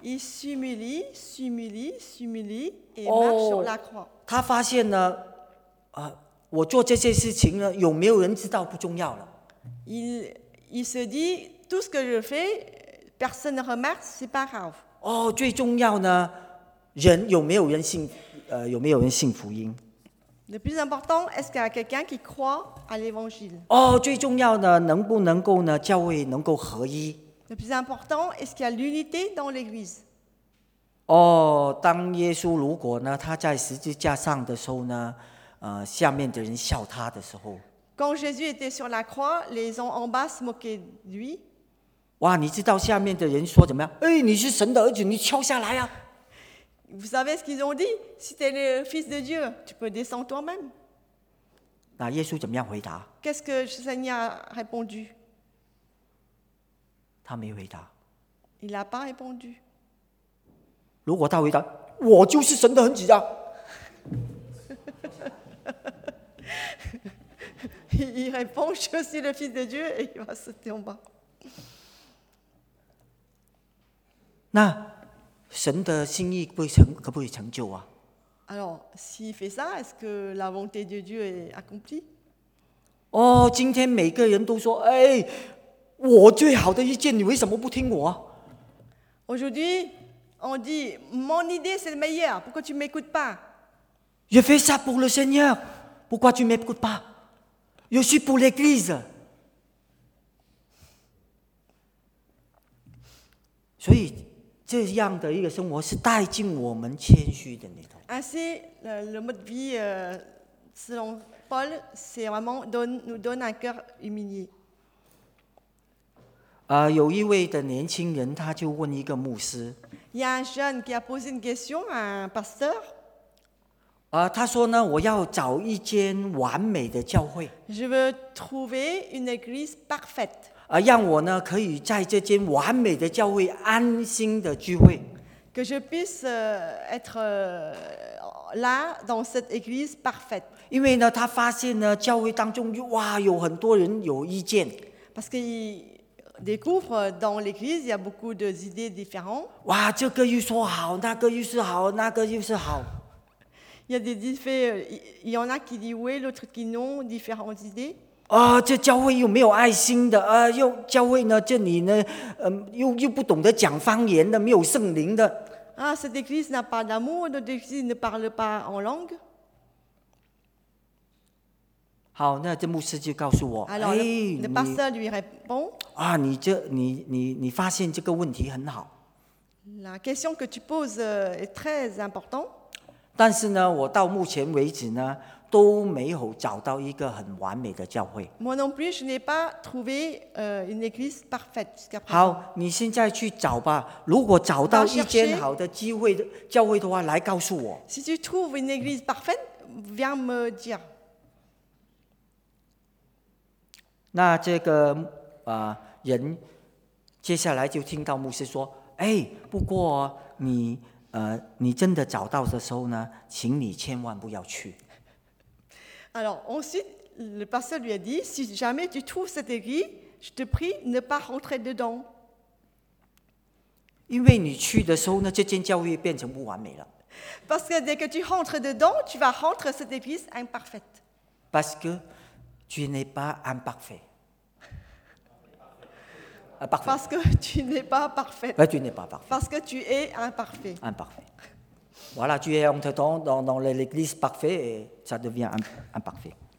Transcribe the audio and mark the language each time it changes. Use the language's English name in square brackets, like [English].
[French] Il s'humilie et marche sur la croix [Chinese] 他发现呢我做这些事情呢有没有人知道不重要了 [French] Il se dit tout ce que je fais personne ne remarque c'est pas grave [Chinese] 最重要呢人有没有人信？有没有人信福音 [French] ？Le plus important est-ce qu'il y a quelqu'un qui croit à l'évangile？ [Chinese] 最重要的能不能够呢？教会能够合一 [French] ？Le plus important est-ce qu'il y a l'unité dans l'Église？ [Chinese] 当耶稣如果呢，他在十字架上的时候呢，下面的人笑他的时候 [French] ，Quand Jésus était sur la croix, les gens en bas se moquaient de lui。 [Chinese] 哇，你知道下面的人说怎么样？你是神的儿子，你跳下来啊！ [French] Vous savez ce qu'ils ont dit? Si tu es le fils de Dieu, tu peux descendre toi-même. [Chinese] 那耶稣怎么样回答? [French] Qu'est-ce que le Seigneur a répondu? [Chinese] 他没回答。 [French] Il n'a pas répondu. [Chinese] 如果他回答, 我就是神的儿子啊。 [French] Il répond, je suis le fils de Dieu, et il va sauter en bas. [Chinese] 那神的心意不成可不可以成就啊 [French] ？Alors, s'il fait ça, est-ce que la volonté de Dieu est accomplie？ [Chinese] 今天每个人都说，我最好的意见，你为什么不听我 [French] ？Aujourd'hui, on dit mon idée c'est le meilleur. Pourquoi tu m'écoutes pas？ Je fais ça pour le Seigneur. Pourquoi tu m'écoutes pas？ Je suis pour l'Église. [Chinese] 所以。这样的一个生活是带进我们谦虚的里头。 [French] Ainsi, le mode de vie, selon Paul, c'est vraiment nous donne un cœur humilié. [Chinese] 有一位的年轻人，他就问一个牧师。 [French] Il y a un jeune qui a posé une question à un pasteur. [Chinese] 他说呢，我要找一间完美的教会。 [French] Je veux trouver une église parfaite. [Chinese] 让我呢可以在这间完美的教会安心的聚会。 [French] Que je puisse être là dans cette église parfaite. [Chinese] 因为呢，他发现呢，教会当中哇，有很多人有意见。 [French] Parce que découvre dans l'église, il y a beaucoup d'idées différentes. [Chinese] 哇，这个又说好，那个又是好，那个又是好。 [French] Il y a des différents, il y en a qui disent oui, l'autre qui non, différentes idées. [Chinese] 啊，这教会又没有爱心的啊，又教会呢，这里呢，又不懂得讲方言的，没有圣灵的。 [French] Ah, cette église n'a pas d'amour, notre église ne parle pas en langue. [Chinese] 好，那这牧师就告诉我， [French] Alors, le pasteur lui répond. [Chinese] 啊，你发现这个问题很好。 [French] La question que tu poses est très importante. [Chinese] 但是呢，我到目前为止呢，都没有找到一个很完美的教会。 [French] Moi non plus, je n'ai pas trouvé une église parfaite jusqu'à présent. [Chinese] 好，你现在去找吧。如果找到一间好的机会的教会的话，来告诉我。 [French] Si tu trouves une église parfaite, viens me dire. [Chinese] 那这个人接下来就听到牧师说：“哎，不过你真的找到的时候呢，请你千万不要去。” [French] Alors ensuite, le pasteur lui a dit: si jamais tu trouves cette église, je te prie ne pas rentrer dedans. [Chinese] 因为你去的时候呢，这间教会变成不完美了。 [French] Parce que dès que tu rentres dedans, tu vas rentrer cette église imparfaite. Parce que tu n'es pas imparfait. Parfait. Parce que tu n'es pas parfait. Ouais, tu n'es pas parfait. Parce que tu es imparfait. Imparfait. Voilà, tu es entré dans l'église parfaite et ça devient imparfait.